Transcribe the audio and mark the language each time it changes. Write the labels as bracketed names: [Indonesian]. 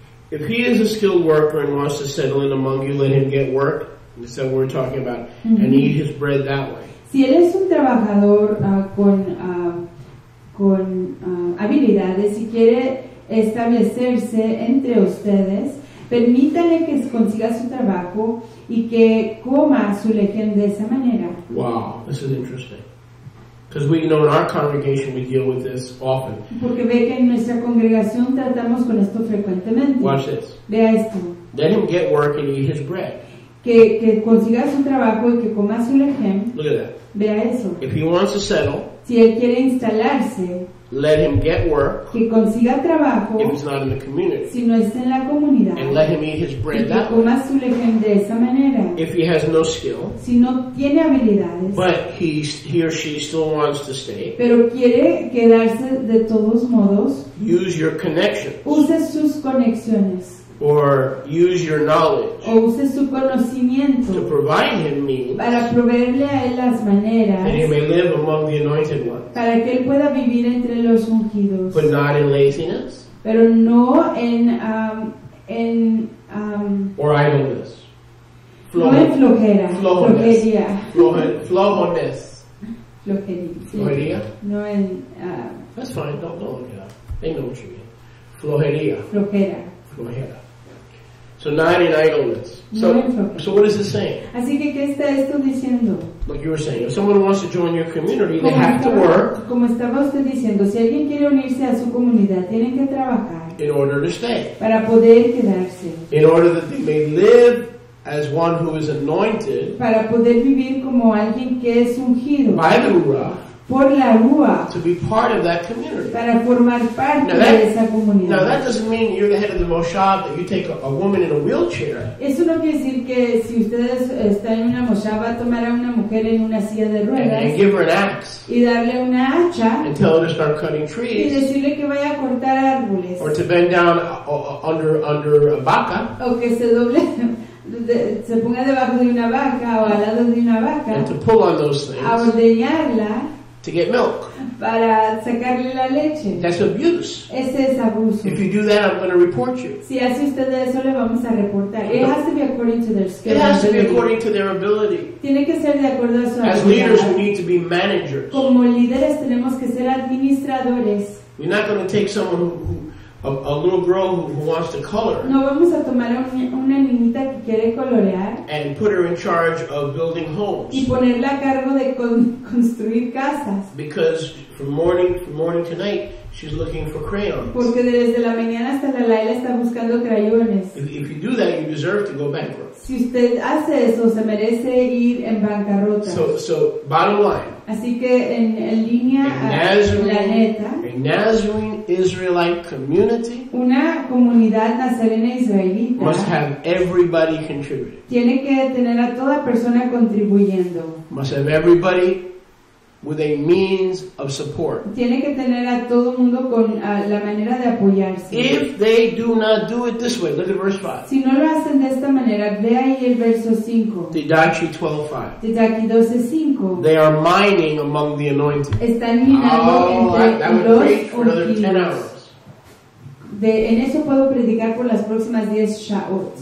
[English] If he is a skilled worker and wants to settle in among you, let him get work. That's what we're talking about. Mm-hmm. And eat his bread that way. [Spanish] Si él es un trabajador con habilidades y quiere establecerse entre ustedes, Permítale que consiga su trabajo y que coma su lección de esa manera. [English] Wow, this is interesting. Because we know in our congregation we deal with this often. [Spanish] Porque ve que en nuestra congregación tratamos con esto frecuentemente. [English] Watch this. [Spanish] Vea esto. [English] Let him get work and eat his bread. [Spanish] Que consiga su trabajo y que coma su lején. [English] Look at that. [Spanish] Vea eso. [English] If he wants to settle. [Spanish] Si él quiere instalarse. [English] Let him get work. [Spanish] Que consiga trabajo. [English] If he's not in the community. [Spanish] Si no está en la comunidad. [English] And let him eat his bread that way. [Spanish] Que coma su lején de esa manera. [English] If he has no skill. [Spanish] Si no tiene habilidades. [English] But he or she still wants to stay. [Spanish] Pero quiere quedarse de todos modos. [English] Use your connections. [Spanish] Use sus conexiones. [English] Or use your knowledge. [Spanish] O use su conocimiento. [English] To provide him means. [Spanish] Para proveerle a él las maneras. [English] That he may live among the anointed ones. [Spanish] Para que él pueda vivir entre los ungidos. [English] But not in laziness. [Spanish] Pero no en en [English] or idleness. [Spanish] Flojera. No en flojera. Flojería. Flojones. Flojería. No en. [English] That's fine. Don't look it up. They know what you mean. Flojería. [Spanish] Flojera. [English] Flojera. So not in idleness. So what is this saying? [Spanish] Así que, ¿qué está esto diciendo? [English] Like you were saying, if someone wants to join your community, they have to work. [Spanish] Como estaba usted diciendo, si alguien quiere unirse a su comunidad, tienen que trabajar. [English] In order to stay. [Spanish] Para poder quedarse. [English] In order that they may live as one who is anointed. [Spanish] Para poder vivir como alguien que es ungido. [English] By the Ruah. [Spanish] Por la Rúa, [English] to be part of that community. [Spanish] Para formar parte [English] now, that, [Spanish] de esa comunidad. [English] Now that doesn't mean you're the head of the moshav that you take a woman in a wheelchair. [Spanish] Eso no quiere decir que si ustedes están en una moshav, tomar a una mujer en una silla de ruedas. [English] And give her an axe. [Spanish] Y darle una hacha. [English] And tell her to start cutting trees. [Spanish] Y decirle que vaya a cortar árboles. [English] Or to bend down under a vaca. [Spanish] O que se doble. Se ponga debajo de una vaca o al lado de una vaca. [English] And to pull on those things. [Spanish] A ordeñarla. [English] To get milk. [Spanish] Para sacarle la leche. [English] That's abuse. [Spanish] Ese es abuso. [English] If you do that, I'm going to report you. [Spanish] Si hace usted eso, le vamos a reportar. [English] It has to be according to their skill. It has to be according to their ability. [Spanish] Tiene que ser de acuerdo a su [English] habilidad. As leaders, we need to be managers. [Spanish] Como líderes, tenemos que ser administradores. [English] We're not going to take someone a little girl who wants to color. [Spanish] No vamos a tomar a una niñita que quiere colorear. [English] And put her in charge of building homes. [Spanish] Y ponerla a cargo de construir casas. [English] Because from morning to night, she's looking for crayons. [Spanish] Porque desde la mañana hasta la laila está buscando crayones. [English] If you do that, you deserve to go bankrupt. [Spanish] Si usted hace eso, se merece ir en bancarrota. [English] So bottom line. [Spanish] Así que en línea la neta. [English] A Nazarene Israelite community. [Spanish] Una comunidad nazarena israelita. [English] Must have everybody contributing. [Spanish] Tiene que tener a toda persona contribuyendo. [English] Must have everybody with a means of support. [Spanish] Tiene que tener a todo mundo con la manera de apoyarse. [English] If they do not do it this way, look at verse 5. [Spanish] Si no lo hacen de esta manera, ve ahí el verso 5. [English] Didache 12:5. They are mining among the anointed. [Spanish] Están minando entre los ungidos. [English] Oh, that would preach for another 10 hours. [Spanish] En eso puedo predicar por las próximas 10 shaot.